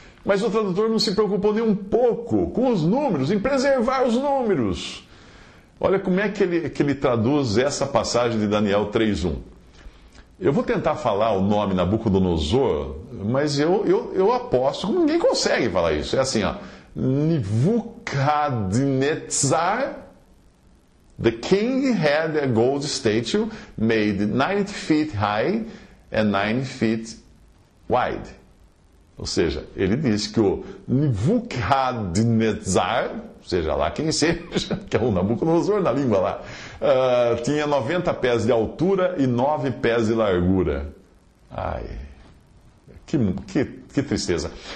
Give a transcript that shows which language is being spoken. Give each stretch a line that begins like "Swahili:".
Portuguese: Mas o tradutor não se preocupou nem um pouco com os números, em preservar os números. Olha como é que ele traduz essa passagem de Daniel 3:1. Eu vou tentar falar o nome Nabucodonosor, mas eu aposto que ninguém consegue falar isso. É assim, ó.
English: Nebuchadnezzar, the king had a gold statue made 90 feet high and 9 feet wide.
Portuguese: Ou seja, ele disse que o Nebuchadnezzar, seja lá quem seja, que é o Nabucodonosor na língua lá, tinha 90 pés de altura e 9 pés de largura. Ai, que tristeza.